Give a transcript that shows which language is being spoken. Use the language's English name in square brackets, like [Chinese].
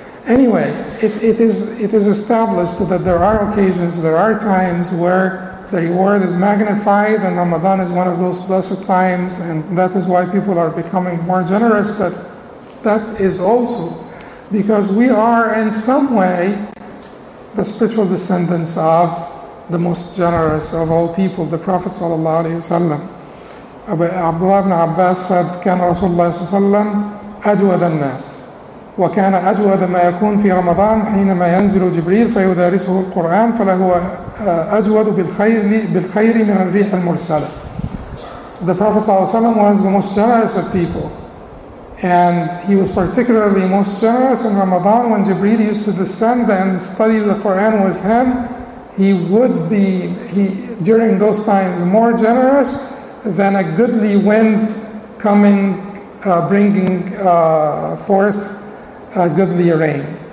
[English] Anyway, it is established that there are occasions, there are times where the reward is magnified, and Ramadan is one of those blessed times, and that is why people are becoming more generous. But that is also because we are in some way the spiritual descendants of the most generous of all people, the Prophet ﷺ. Abdullah ibn Abbas said, [Arabic] "كان رسول الله صلى الله عليه وسلم أجود الناس وكان أجود ما يكون في رمضان حينما ينزل جبريل فيدارسه القرآن فلهو أجود بالخير من الريح المرسلة." [English] So the Prophet ﷺ was the most generous of people. And he was particularly most generous in Ramadan when Jibreel used to descend and study the Quran with him. He would be, during those times, more generous than a goodly wind coming, bringing forth a goodly rain.